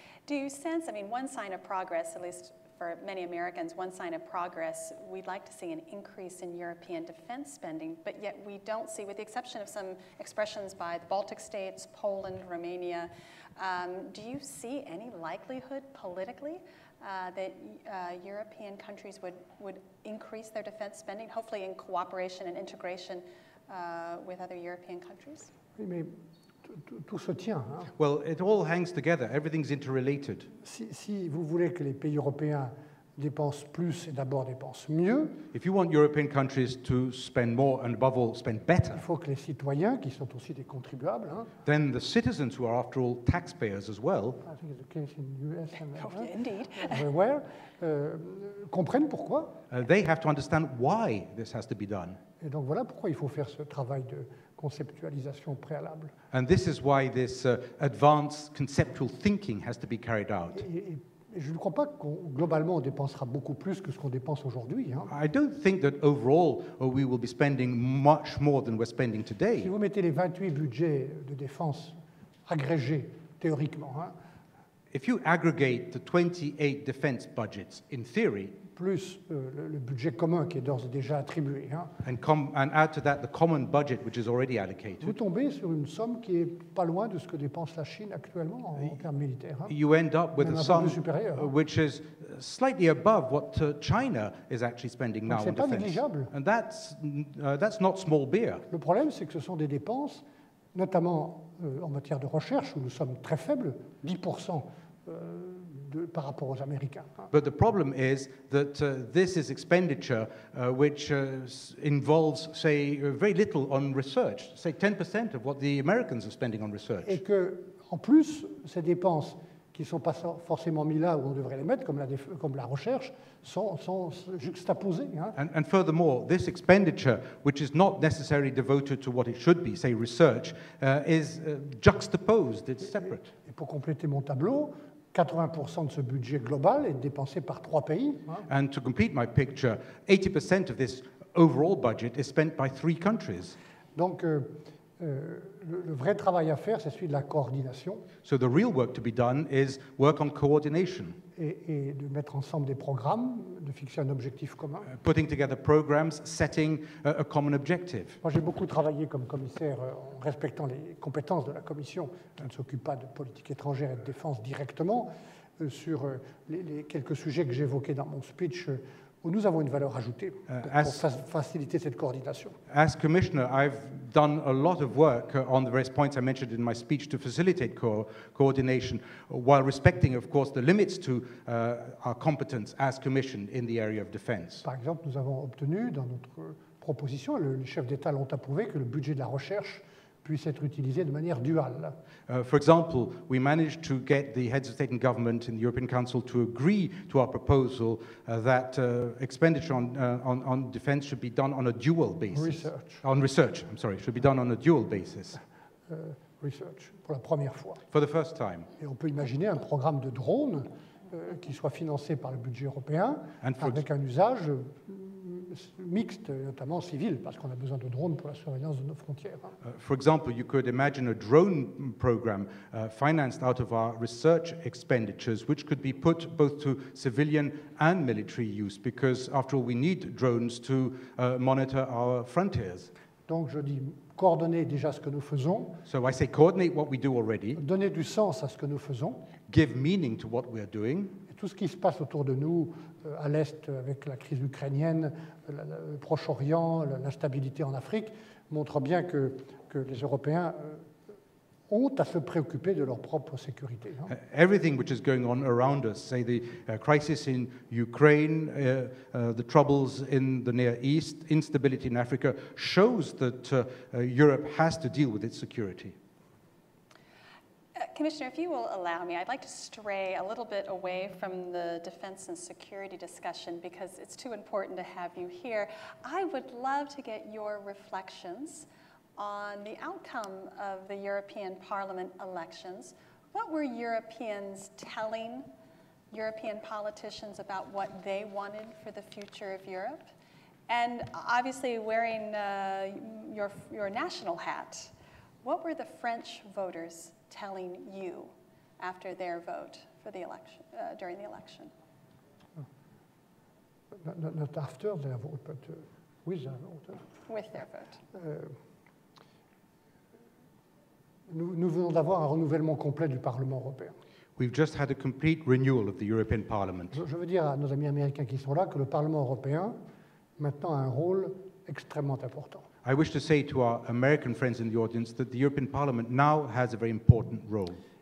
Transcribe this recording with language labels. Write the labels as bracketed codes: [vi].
[en] Do you sense, I mean, one sign of progress, at least for many Americans, one sign of progress, we'd like to see an increase in European defense spending, but yet we don't see, with the exception of some expressions by the Baltic states, Poland, Romania, do you see any likelihood politically that European countries would increase their defense spending, hopefully in cooperation and integration with other European countries? [fr] Tout se tient. Hein. [en] Well, it all hangs together. Everything's interrelated. [fr] Si vous voulez que les pays européens dépense plus et d'abord dépense mieux. [en] If you want European countries to spend more and above all spend better, [fr] il faut que les citoyens, qui sont aussi des contribuables, hein, [en] then the citizens who are after all taxpayers as well, I think it's the case in US and indeed everywhere, [fr] comprennent pourquoi. [en] They have to understand why this has to be done. [fr] Et donc voilà pourquoi il faut faire ce travail de conceptualisation préalable. [en] And this is why this advanced conceptual thinking has to be carried out. [fr] Et je ne crois pas qu'on globalement on dépensera beaucoup plus que ce qu'on dépense aujourd'hui. [en] I don't think that overall we will be spending much more than we're spending today. [fr] Si vous mettez les 28 budgets de défense agrégés théoriquement, hein, [en] if you aggregate the 28 defense budgets in theory, [fr] plus le budget commun qui est d'ores et déjà attribué, hein, [en] and add to that the common budget which is already allocated, [fr] vous tombez sur une somme qui est pas loin de ce que dépense la Chine actuellement en termes militaires. Hein. [en] You end up with a sum which is slightly above what China is actually spending [fr] donc [en] now on defense. [fr] C'est pas négligeable. [en] And that's not small beer. [fr] Le problème, c'est que ce sont des dépenses, notamment en matière de recherche, où nous sommes très faibles, 10%. Par rapport aux Américains. [en] But the problem is that this is expenditure which involves, say, very little on research, say 10% of what the Americans are spending on research. [fr] Et que, en plus, ces dépenses qui ne sont pas forcément mises là où on devrait les mettre, comme la recherche, sont juxtaposées. Hein. [en] And furthermore, this expenditure, which is not necessarily devoted to what it should be, say research, is juxtaposed, it's separate. [fr] Et pour compléter mon tableau, 80% de ce budget global est dépensé par trois pays. [en] And to complete my picture, 80% of this overall budget is spent by three countries. [fr] Donc, le vrai travail à faire, c'est celui de la coordination. [en] So the real work to be done is work on coordination. [fr] Et de mettre ensemble des programmes, de fixer un objectif commun. [en] Putting together programs, setting a common objective. [fr] Moi, j'ai beaucoup travaillé comme commissaire en respectant les compétences de la Commission, qui ne s'occupe pas de politique étrangère et de défense directement, sur les quelques sujets que j'évoquais dans mon speech, où nous avons une valeur ajoutée pour faciliter cette coordination. [en] As commissioner, I've done a lot of work on the various points I mentioned in my speech to facilitate coordination, while respecting, of course, the limits to our competence as commission in the area of defense. [fr] Par exemple, nous avons obtenu dans notre proposition, les chefs d'État l'ont approuvé, que le budget de la recherche puisse être utilisé de manière duale. [en] For example, we managed to get the heads of state and government in the European Council to agree to our proposal that expenditure on defense should be done on a dual basis. Should be done on a dual basis. Research, [fr] pour la première fois. [en] For the first time. [fr] Et on peut imaginer un programme de drones qui soit financé par le budget européen avec un usage mixte, notamment civil, parce qu'on a besoin de drones pour la surveillance de nos frontières. [en] For example, you could imagine a drone program financed out of our research expenditures, which could be put both to civilian and military use, because, after all, we need drones to monitor our frontiers. [fr] Donc, je dis coordonner déjà ce que nous faisons. [en] So I say coordinate what we do already. [fr] Donner du sens à ce que nous faisons. [en] Give meaning to what we are doing. [fr] Tout ce qui se passe autour de nous, à l'Est, avec la crise ukrainienne, le Proche-Orient, l'instabilité en Afrique, montre bien que les Européens ont à se préoccuper de leur propre sécurité. Hein. [en] Everything which is going on around us, say the crisis in Ukraine, the troubles in the Near East, instability in Africa, shows that Europe has to deal with its security. Commissioner, if you will allow me, I'd like to stray a little bit away from the defense and security discussion because it's too important to have you here. I would love to get your reflections on the outcome of the European Parliament elections. What were Europeans telling European politicians about what they wanted for the future of Europe? And obviously wearing your national hat, what were the French voters telling you after their vote for the election, during the election? Not after their vote, but with their vote. With their vote. [fr] Nous venons d'avoir un renouvellement complet du Parlement européen. [en] We've just had a complete renewal of the European Parliament. [fr] Je veux dire à nos amis américains qui sont là que le Parlement européen maintenant a un rôle extrêmement important. [en] I wish to say to our American friends in the audience that the European Parliament now has a very important role.